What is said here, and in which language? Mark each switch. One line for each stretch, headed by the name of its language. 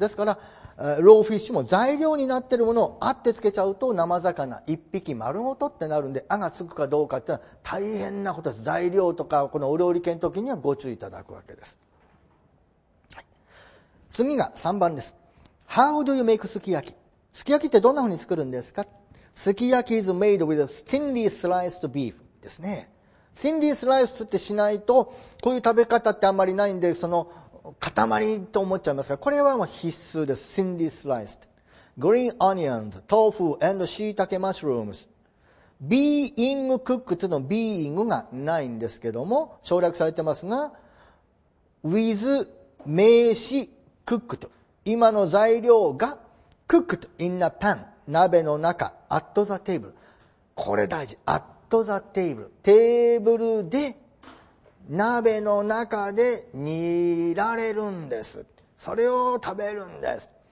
Japanese: ですからローフィッシュも材料になっているものをあってつけちゃうと生魚一匹丸ごとってなるんで、あがつくかどうかってのは大変なことです。材料とかこのお料理系の時にはご注意いただくわけです、はい、次が3番です。
English: How do you make
Japanese: すき焼き、すき焼きってどんな風に作るんですか。
English: すき焼き is made with a thinly sliced beef
Japanese: ですね。 thinly sliced ってしないとこういう食べ方ってあんまりないんで、その塊と思っちゃいますが、これはもう必須です。
English: thinly sliced green onions, tofu and 椎茸 mushrooms。
Japanese: being cooked の being がないんですけども、省略されてますが with 名詞 cooked、 今の材料が
English: cooked in a pan、
Japanese: 鍋の中
English: at the table、
Japanese: これ大事、 at the table、 テーブルで鍋の中で煮られるんです、それを食べるんです。